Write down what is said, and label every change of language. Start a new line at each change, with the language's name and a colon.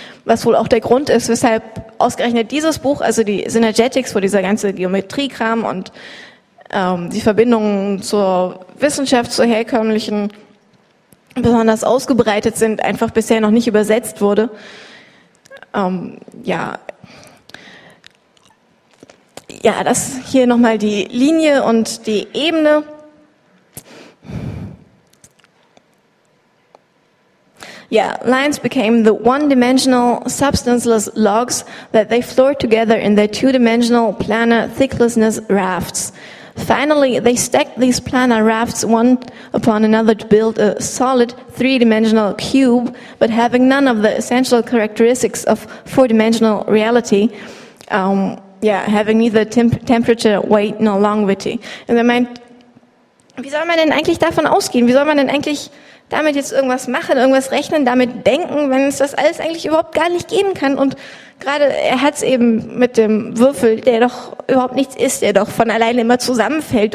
German: Was wohl auch der Grund ist, weshalb ausgerechnet dieses Buch, also die Synergetics, wo dieser ganze Geometriekram und die Verbindungen zur Wissenschaft, zur herkömmlichen, besonders ausgebreitet sind, einfach bisher noch nicht übersetzt wurde. Ja, das hier nochmal die Linie und die Ebene.
English: Ja, lines became the one-dimensional, substanceless logs that they floored together in their two-dimensional planar thicklessness rafts. Finally, they stacked these planar rafts one upon another to build a solid three-dimensional cube, but having none of the essential characteristics of four-dimensional reality. Having neither temperature, weight nor longevity.
German: Und er meint, wie soll man denn eigentlich davon ausgehen? Wie soll man denn eigentlich damit jetzt irgendwas machen, irgendwas rechnen, damit denken, wenn es das alles eigentlich überhaupt gar nicht geben kann? Und gerade er hat es eben mit dem Würfel, der doch überhaupt nichts ist, der doch von alleine immer zusammenfällt.